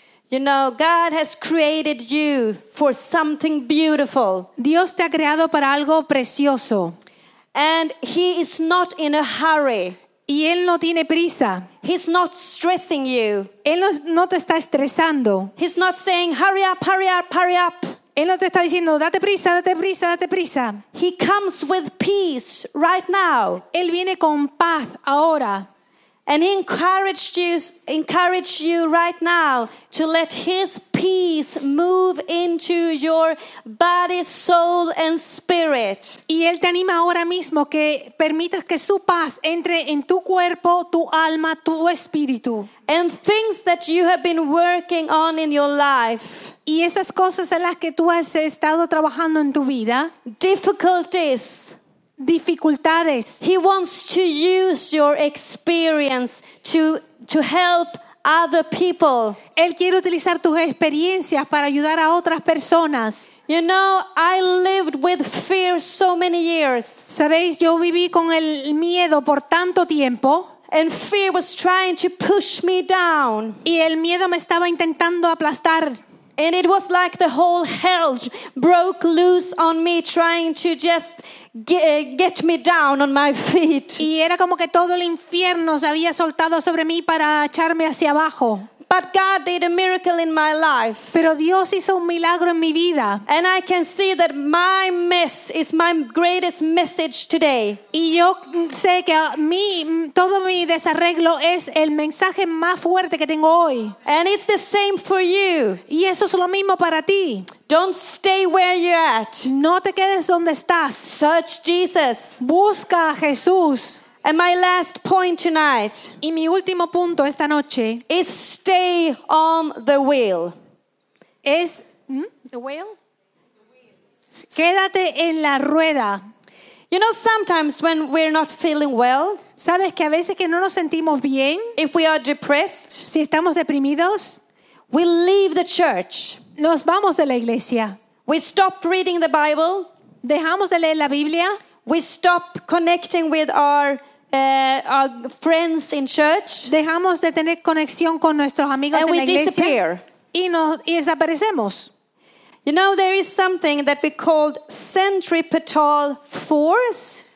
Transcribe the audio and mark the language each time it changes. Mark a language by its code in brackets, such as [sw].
[en] You know, God has created you for something beautiful. [es] Dios te ha creado para algo precioso. [en] And he is not in a hurry. [es] Y él no tiene prisa. [en] He's not stressing you. [es] Él no te está estresando. [en] He's not saying, hurry up, hurry up, hurry up. [es] Él no te está diciendo, date prisa, date prisa, date prisa. [en] He comes with peace right now. [es] Él viene con paz ahora. [en] And he encouraged you right now to let his peace move into your body, soul, and spirit. [es] Y él te anima ahora mismo que permitas que su paz entre en tu cuerpo, tu alma, tu espíritu. [en] And things that you have been working on in your life. [es] Y esas cosas en las que tú has estado trabajando en tu vida. [en] Difficulties. [es] Dificultades. [en] He wants to use your experience to help other people. [es] Él quiere utilizar tus experiencias para ayudar a otras personas. [en] You know, I lived with fear so many years. [es] Sabéis, yo viví con el miedo por tanto tiempo. [en] And fear was trying to push me down. [es] Y el miedo me estaba intentando aplastar. [en] And it was like the whole hell broke loose on me, trying to just get me down on my feet. [es] Y era como que todo el infierno se había soltado sobre mí para echarme hacia abajo. [en] But God did a miracle in my life. [es] Pero Dios hizo un milagro en mi vida. [en] And I can see that my mess is my greatest message today. [es] Y yo sé que todo mi desarreglo es el mensaje más fuerte que tengo hoy. [en] And it's the same for you. [es] Y eso es lo mismo para ti. [en] Don't stay where you're at. [es] No te quedes donde estás. [en] Search Jesus. [es] Busca a Jesús. [en] And my last point tonight. [es] Y mi último punto esta noche [en] is stay on the wheel. [es] Es [en] the wheel. [es] Quédate en la rueda. [en] You know, sometimes when we're not feeling well. [es] Sabes que a veces que no nos sentimos bien. [en] If we are depressed. [es] Si estamos deprimidos. [en] We leave the church. [es] Nos vamos de la iglesia. [en] We stop reading the Bible. [es] Dejamos de leer la Biblia. [en] We stop connecting with our friends in church. [es] Dejamos de tener conexión con nuestros amigos en la iglesia. [en] And we disappear. [es] Y desaparecemos. [en] You know, there is something that we called centripetal force.